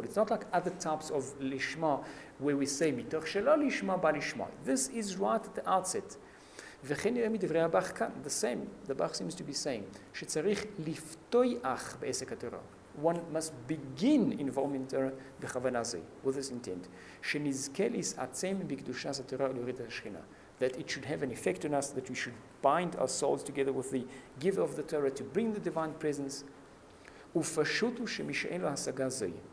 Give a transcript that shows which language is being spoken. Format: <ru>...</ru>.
<en>It's not like other types of lishma where we say mitoch shelo lishma ba lishma. This is right at the outset. The same, the Bach seems to be saying,</en> <he>שצריך לפתוח בעסק התורה.</he> <en>One must begin involving the Torah</en> <he>בכוונה זה,</he> <en>with this intent.</en> <he>שנזכה להסעצם בקדושת התורה ולהוריד את השכינה.</he> <en>That it should have an effect on us, that we should bind our souls together with the giver of the Torah to bring the divine presence.</en> <he>ופשוט הוא שמי שאין לו השגה זה.</he>